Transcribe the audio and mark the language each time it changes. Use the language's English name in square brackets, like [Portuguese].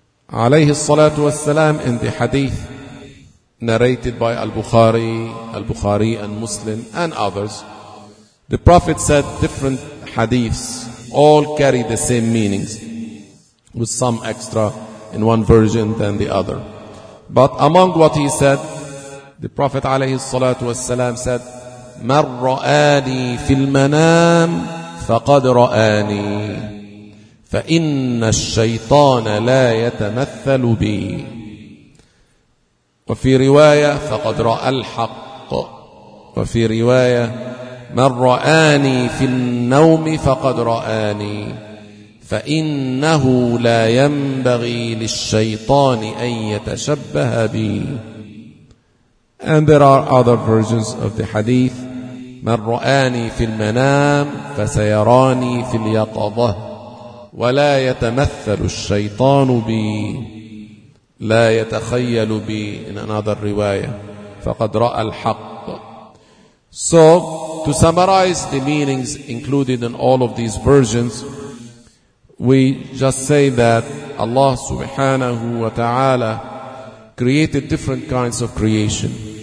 [English] Alayhi salatu wa salam in the hadith narrated by Al-Bukhari and Muslim and others, the Prophet said different hadiths all carry the same meanings with some extra in one version than the other. But among what he said, the Prophet [Arabic] alayhi salatu wa salam [English] said, [Arabic] مَنْ رَآنِي فِي الْمَنَامِ فَقَدْ رَآنِي فَإِنَّ الشَّيْطَانَ لَا يَتَمَثَّلُ بِي وَفِي رِوَايَةٍ فَقَدْ رَأَى الْحَقَّ وَفِي رِوَايَةٍ مَنْ رَآنِي فِي النَّوْمِ فَقَدْ رَآنِي فَإِنَّهُ لَا يَنْبَغِي لِلشَّيْطَانِ أَنْ يَتَشَبَّهَ بِي. [English] And there are other versions of the hadith. [Arabic] مَنْ رَآنِي فِي الْمَنَامِ فَسَيَرَانِي فِي الْيَقَظَةِ وَلَا يَتَمَثَّلُ الشَّيْطَانُ بِي لَا يَتَخَيَّلُ بِي. [English] In another riwayah, [Arabic] فَقَدْ رَأَى الْحَقِّ. [English] So, to summarize the meanings included in all of these versions, we just say that Allah subhanahu wa ta'ala created different kinds of creation.